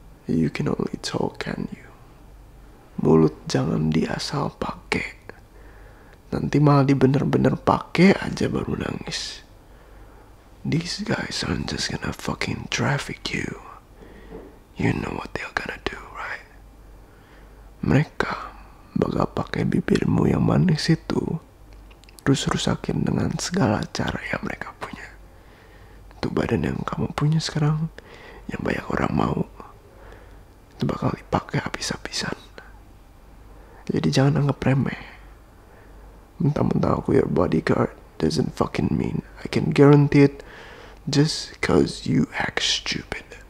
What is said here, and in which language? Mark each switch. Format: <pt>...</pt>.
<en>You can only talk, can you?</en> <id>Mulut jangan diasal pakai. Nanti malah dibener-bener pakai aja baru nangis.</id> <en>These guys aren't just gonna fucking traffic you. You know what they're gonna do, right?</en> <id>Mereka bakal pakai bibirmu yang manis itu, terus rusakin dengan segala cara yang mereka punya. Itu badan yang kamu punya sekarang, yang banyak orang mau, itu bakal dipakai habis-habisan. Jadi jangan anggap remeh. Mentang-mentang aku</id> <en>your bodyguard doesn't fucking mean I can guarantee it just cause you act stupid.</en>